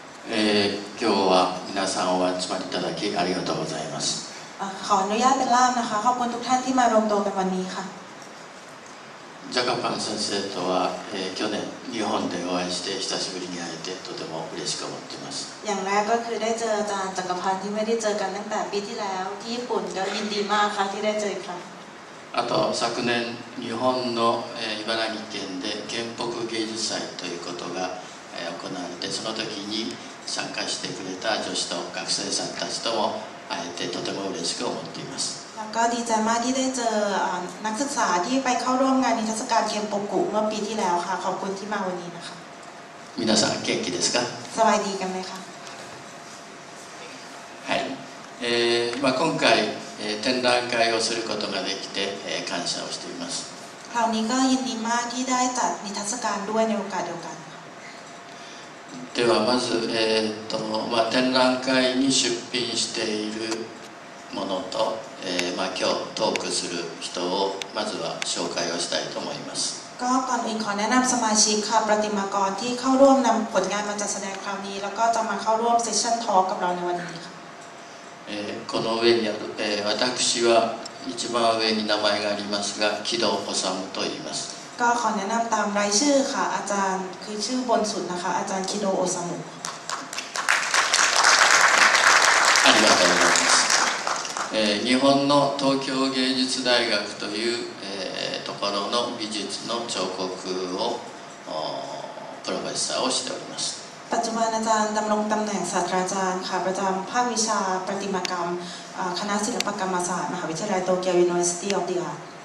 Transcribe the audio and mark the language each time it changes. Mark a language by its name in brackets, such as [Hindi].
[Japanese] เออ今日は皆さんお集まりいただきありがとうございます [Thai] ขออนุญาตเป็นล่ามนะคะขอบคุณทุกท่านที่มารวมตัวกันวันนี้ค่ะ [Japanese] ジャカパン先生とは、去年日本でお会いして久しぶりに会えてとても嬉しく思っています。 [Thai] อย่างแรกก็คือได้เจออาจารย์จักรพันธ์ที่ไม่ได้เจอกันตั้งแต่ปีที่แล้วที่ญี่ปุ่นก็ยินดีมากค่ะที่ได้เจอครับ。 [Japanese] あと昨年日本の茨城県で県北芸術祭ということが行われてその時に参加してくれた女子と学生さんたちとも会えてとても嬉しく思っています。 [Thai] ก็ดีใจมากที่ได้เจอนักศึกษาที่ไปเข้าร่วมงานนิทรรศการเกียมโปกุเมื่อปีที่แล้วค่ะขอบคุณที่มาวันนี้นะคะ [Japanese] มินาซังเก็กกิเดสกะ [Thai] สบายดีกันไหมคะ [Japanese] はいまあ今回展覧会をすることができて感謝をしています [Thai] คราวนี้ก็ยินดีมากที่ได้จัดนิทรรศการด้วยในโอกาสเดียวกัน [Japanese] ではまずまあ展覧会に出品しているものとまあ今日トークする人をまずは紹介をしたいと思います。 [Thai] ก็ก่อนอื่นขอแนะนำสมาชิกค่ะประติมากรที่เข้าร่วมนำผลงานมาจัดแสดงคราวนี้แล้วก็จะมาเข้าร่วมเซสชั่นทอล์กกับเราในวันนี้ค่ะ。 [Japanese] この上にある、私は一番上に名前がありますが、木戸治虫と言います。 [Thai] ก็ขอแนะนำตามรายชื่อค่ะอาจารย์คือชื่อบนสุดนะคะอาจารย์คิโดโอซามุ [Japanese] ありがとうございます。日本の東京芸術大学という、ところの美術の彫刻をプロフェッサーをしております。 [Thai] ปัจจุบันอาจารย์ดำรงตำแหน่งศาสตราจารย์ค่ะประจำภาควิชาประติมากรรมคณะศิลปกรรมศาสตร์มหาวิทยาลัยโตเกียว [English] University of the Art